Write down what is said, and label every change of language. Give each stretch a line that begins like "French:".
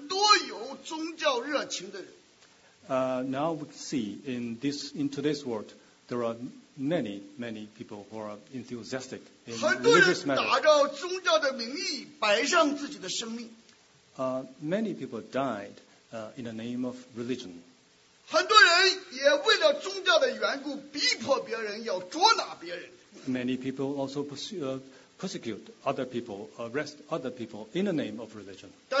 Chinese: 弟兄姊妹，这个世界上很多有宗教热情的人。
English: Now we see in today's world there are many people who are enthusiastic in religious matters.
Chinese: 很多人打着宗教的名义摆上自己的生命。
English: Many people died in the name of religion.
Chinese: 很多人也为了宗教的缘故逼迫别人要捉拿别人。
English: Many people also persecute other people, arrest other people in the name of religion.